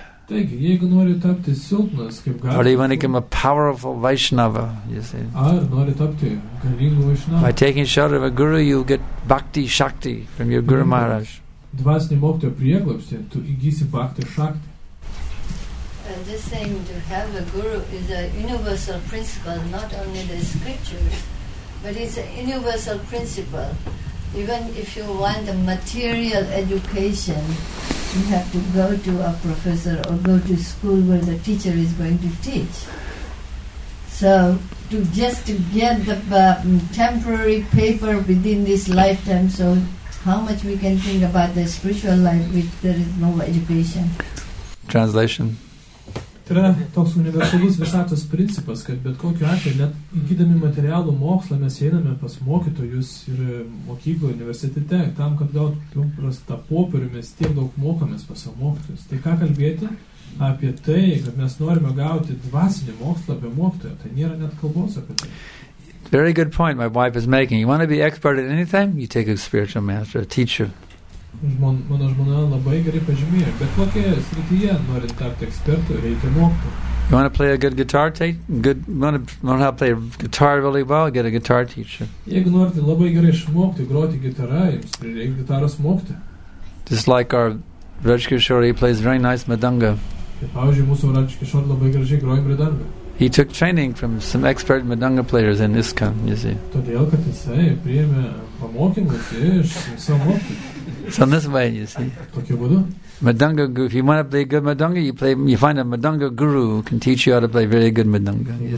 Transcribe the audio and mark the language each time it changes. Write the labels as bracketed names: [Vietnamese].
[Lithuanian] Taigi, jeigu nori tapti silpnas kaip gatvės. [English] Or do you want to become a powerful Vaishnava, you see? [Lithuanian] Ar nori tapti galingu vaišnava? [English] By taking shelter of a guru, you get bhakti shakti from your guru maharaj. [Lithuanian] Dvasinį mokytojo prieglobstį, tu įgysi bhakti shakti. [English] And this saying to have a guru is a universal principle, not only the scriptures. But it's an universal principle. Even if you want a material education, you have to go to a professor or go to school where the teacher is going to teach. So to just to get the temporary paper within this lifetime, so how much we can think about the spiritual life if there is no education? Translation. [Lithuanian] Tai yra toks universalus visatos principas, kad bet kokiu atveju, net įgydami materialų mokslą, mes einame pas mokytojus ir mokyklo universitete, tam, kad gaut prastą popierių, mes tiek daug mokomės pas savo mokytojus. Tai ką kalbėti apie tai, kad mes norime gauti dvasinį mokslą apie mokytoją, tai nėra net kalbos apie tai. [English] Very good point my wife is making. You want to be expert in anything? You take a spiritual master, a teacher. [Lithuanian] Mano žmona labai gerai pažymėjo, bet kokioje srityje norint tapti ekspertu, reikia mokyti. [English] You want to play a good guitar? Want to play a guitar really well? Get a guitar teacher. [Lithuanian] Jeigu norite labai gerai išmokti groti gitarą, jums reikia gitaros mokyti. [English] Just like our Rajkishore, he plays very nice madanga. [Lithuanian] Pavyzdžiui, mūsų Rajkishore labai gražiai groja madanga. [English] He took training from some expert madanga players in ISKCON, you see. [Lithuanian] Todėl, kad jisai priėmė pamokymus iš savo mokytojų. [English] So in this way, you see. Madanga guru. If you want to play good madanga, you find a madanga guru who can teach you how to play very good madanga.